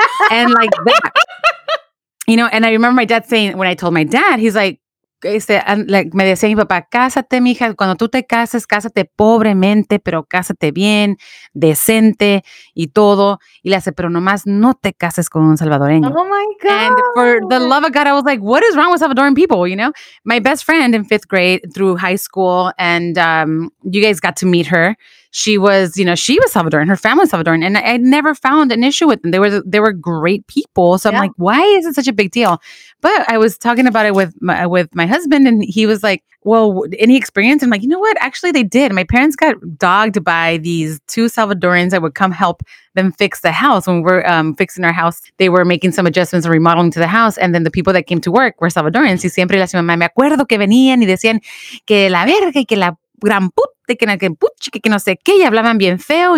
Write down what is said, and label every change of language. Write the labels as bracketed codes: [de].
[en] And like that. You know, and I remember my dad saying, when I told my dad, he's like, [es] me decía mi papá, cásate, mija, cuando tú te cases, cásate pobremente, pero cásate bien, decente y todo. Y le hace, pero nomás no te cases con un salvadoreño. [en] Oh my God. And for the love of God, I was like, what is wrong with Salvadoran people? You know, my best friend in fifth grade through high school, and you guys got to meet her. She was, you know, she was Salvadoran, her family was Salvadoran, and I never found an issue with them. They were great people. So yeah. I'm like, why is it such a big deal? But I was talking about it with my husband, and he was like, well, any experience? I'm like, you know what? Actually, they did. My parents got dogged by these two Salvadorans that would come help them fix the house. When we were fixing our house, they were making some adjustments and remodeling to the house. And then the people that came to work were Salvadorans. [es] Y siempre las mamá, me acuerdo que venían y decían que la verga y que la gran puta, que no sé qué, y hablaban bien feo.